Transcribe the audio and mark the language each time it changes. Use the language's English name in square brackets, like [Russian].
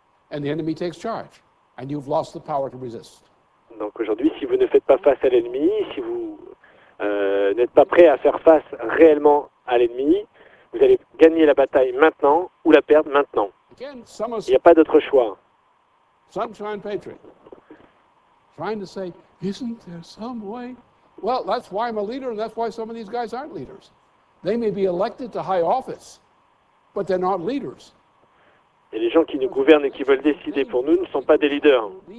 [French] Et l'ennemi prend charge. [English] And you've lost the power to resist. [French] Donc aujourd'hui, si vous ne faites pas face à l'ennemi, si vous n'êtes pas prêt à faire face réellement à l'ennemi, vous allez gagner la bataille maintenant ou la perdre maintenant. [English] Again, [French] il n'y a pas d'autre choix. [English] Sunshine Patriot, trying to say, isn't there some way? Well, that's why I'm a leader, and that's why some of these guys aren't leaders. They may be elected to high office, but they're not leaders. [French] Et les gens qui nous gouvernent et qui veulent décider pour nous ne sont pas des leaders.